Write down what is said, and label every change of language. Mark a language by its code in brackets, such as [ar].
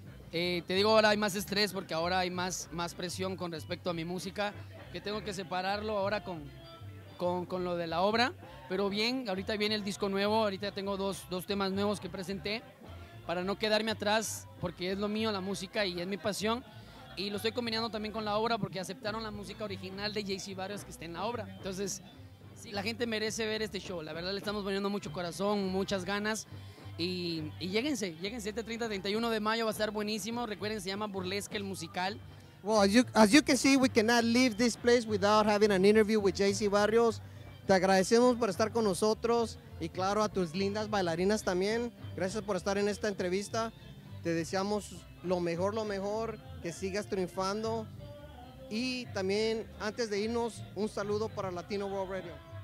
[es] Te digo, ahora hay más estrés porque ahora hay más presión con respecto a mi música, que tengo que separarlo ahora con lo de la obra, pero bien, ahorita viene el disco nuevo, ahorita tengo dos temas nuevos que presenté para no quedarme atrás porque es lo mío la música y es mi pasión y lo estoy combinando también con la obra porque aceptaron la música original de JC Barrios que está en la obra. Entonces sí, la gente merece ver este show, la verdad le estamos poniendo mucho corazón, muchas ganas. Y lléguense este 31 de mayo, va a estar buenísimo. Recuerden, se llama Burlesque el Musical. [en] Well, as you can see, we cannot leave this place without having an interview with JC Barrios. [es] Te agradecemos por estar con nosotros y claro, a tus lindas bailarinas también. Gracias por estar en esta entrevista. Te deseamos lo mejor, que sigas triunfando. Y también, antes de irnos, un saludo para Latino World Radio.